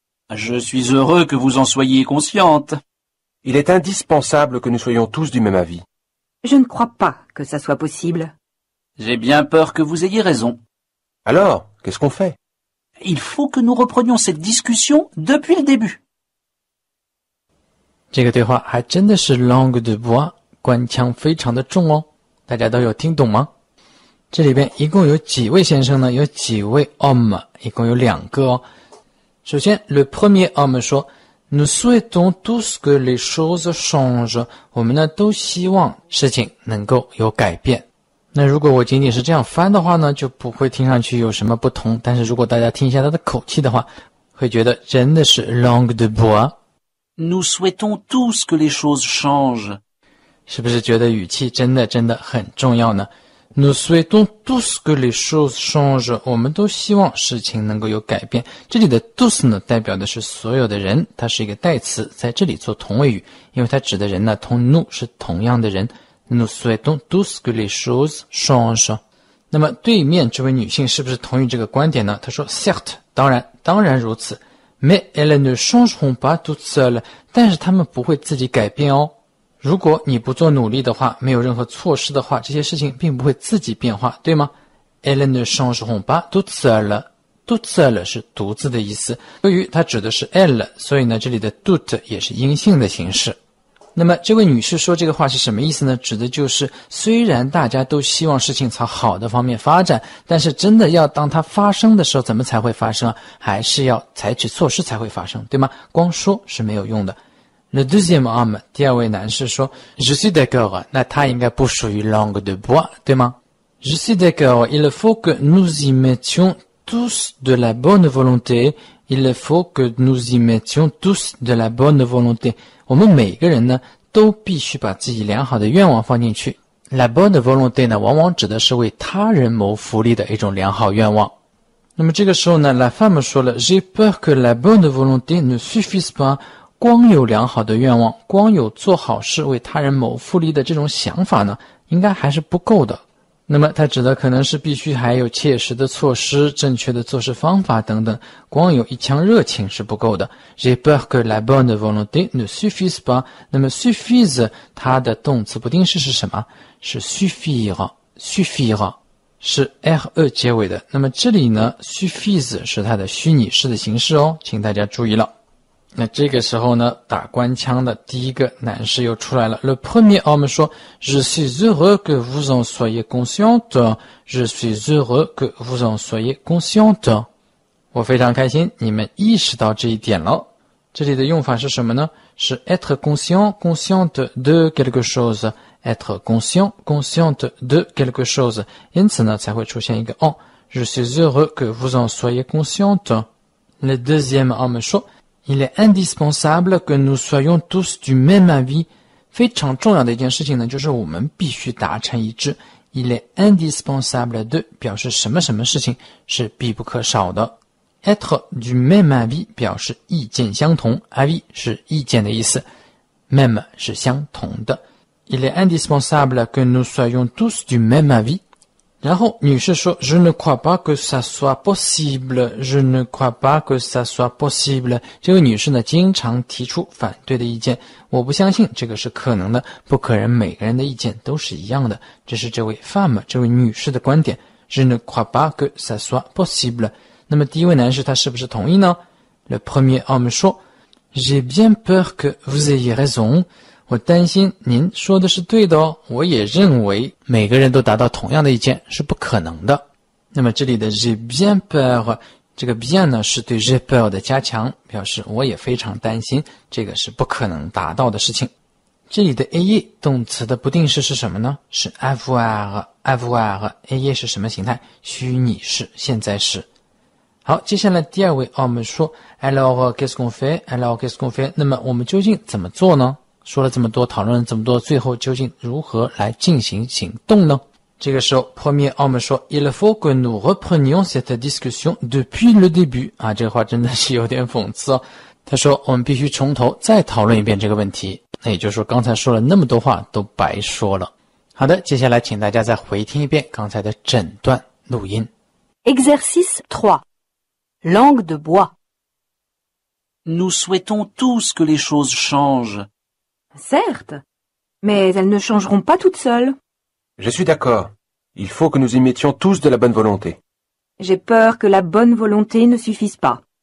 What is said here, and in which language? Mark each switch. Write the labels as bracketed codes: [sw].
[fr] Je suis heureux que vous en soyez consciente. Il est indispensable que nous soyons tous du même avis. Je ne crois pas que ça soit possible. J'ai bien peur que vous ayez raison. Alors, qu'est-ce qu'on fait? Il faut que nous reprenions cette discussion depuis le début. [zh] 这个对话还真的是 [fr] langue de bois， [zh] 官腔非常的重哦，大家都有听懂吗？这里边一共有几位先生呢？有几位 homme， 一共有两个哦。首先 [fr] le premier homme [zh] 说 [fr] Nous souhaitons tous que les choses changent， [zh] 我们呢都希望事情能够有改变。那如果我仅仅是这样翻的话呢，就不会听上去有什么不同，但是如果大家听一下他的口气的话，会觉得真的是 [fr] langue de bois。 Nous souhaitons tous que les choses changent， [zh] 是不是觉得语气真的真的很重要呢？ [fr] Nous souhaitons tous que les choses changent， [zh] 我们都希望事情能够有改变。这里的 tous 呢代表的是所有的人，它是一个代词，在这里做同位语，因为它指的人呢同 nous 是同样的人。 [fr] Nous souhaitons tous que les choses changent。 [zh] 那么对面这位女性是不是同意这个观点呢？她说 Certes， 当然，当然如此。 [fr] Mais elles ne changeront pas toutes seules, [zh] 但是她们不会自己改变哦。如果你不做努力的话，没有任何措施的话，这些事情并不会自己变化，对吗？ [fr] Elles ne changeront pas toutes seules. Toutes seules [zh] 是独自的意思。由于它指的是 elle, 所以呢，这里的 tout 也是阴性的形式。那么这位女士说这个话是什么意思呢？指的就是虽然大家都希望事情朝好的方面发展，但是真的要当它发生的时候怎么才会发生？还是要采取措施才会发生，对吗？光说是没有用的。 [fr] Le deuxième homme, [zh] 第二位男士说 [fr] Je suis d'accord, [zh] 那他应该不属于 [fr] langue de bois, [zh] 对吗？ [fr] Je suis d'accord, il faut que nous y mettions tous de la bonne volonté, il faut que nous y mettions tous de la bonne volonté. [zh] 我们每个人呢都必须把自己良好的愿望放进去。 [fr] La bonne volonté [zh] 呢往往指的是为他人谋福利的一种良好愿望。那么这个时候呢 [fr] la femme [zh] 说了 [fr] J'ai peur que la bonne volonté ne suffise pas, [zh] 光有良好的愿望，光有做好事为他人谋福利的这种想法呢，应该还是不够的。那么他指的可能是必须还有切实的措施，正确的做事方法等等，光有一腔热情是不够的。 [fr] J'ai peur que la bonne volonté ne suffise pas. [zh] 那么 suffise, 它的动词不定式是什么？是 suffire, 是 re 结尾的。那么这里呢 suffise 是它的虚拟式的形式哦，请大家注意了。那这个时候呢，打官腔的第一个男士又出来了。 [fr] Le premier homme 说 Je suis heureux que vous en soyez consciente. Je suis heureux que vous en soyez consciente. [zh] 我非常开心你们意识到这一点了。这里的用法是什么呢？ [fr] 是 être conscient, consciente de quelque chose. Être conscient, consciente de quelque chose. [zh] 因此呢，才会出现一个 [fr] Je suis heureux que vous en soyez consciente. Le deuxième homme 说Il est indispensable que nous soyons tous du même avis. [zh] 非常重要的一件事情呢，就是我们必须达成一致。 [fr] Il est indispensable de [zh] 表示什么什么事情是必不可少的。 [fr] Être du même avis [zh] 表示意见相同。 Avis 是意见的意思。 Même 是相同的。 [fr] Il est indispensable que nous soyons tous du même avis. [zh] 然后女士说 [fr] Je ne crois pas que ça soit possible. Je ne crois pas que ça soit possible. [zh] 这位女士呢经常提出反对的意见。我不相信这个是可能的。不可能每个人的意见都是一样的。这是这位 femme, 这位女士的观点。 [fr] Je ne crois pas que ça soit possible. [zh] 那么第一位男士他是不是同意呢？ [fr] Le premier homme 说 J'ai bien peur que vous ayez raison. [zh] 我担心您说的是对的哦，我也认为每个人都达到同样的意见是不可能的。那么这里的 [fr] j'ai bien peur, [zh] 这个 bien 呢是对 [fr] j'ai peur [zh] 的加强，表示我也非常担心这个是不可能达到的事情。这里的 ayez 动词的不定式是什么呢？是 avoir, ayez 是什么形态？虚拟式，现在式。好，接下来第二位 [fr] homme 说 alors qu'est-ce qu'on fait? [zh] 那么我们究竟怎么做呢？说了这么多，讨论了这么多，最后究竟如何来进行行动呢？这个时候 [fr] ,premier homme 说 ,il faut que nous reprenions cette discussion depuis le début. [zh] 啊，这个话真的是有点讽刺哦。他说我们必须从头再讨论一遍这个问题。那也就是说刚才说了那么多话都白说了。好的，接下来请大家再回听一遍刚才的整段录音。 [fr] Exercice 3. Langue de bois. Nous souhaitons tous que les choses changent. Certes, mais elles ne changeront pas toutes seules. Je suis d'accord. Il faut que nous y mettions tous de la bonne volonté. J'ai peur que la bonne volonté ne suffise pas.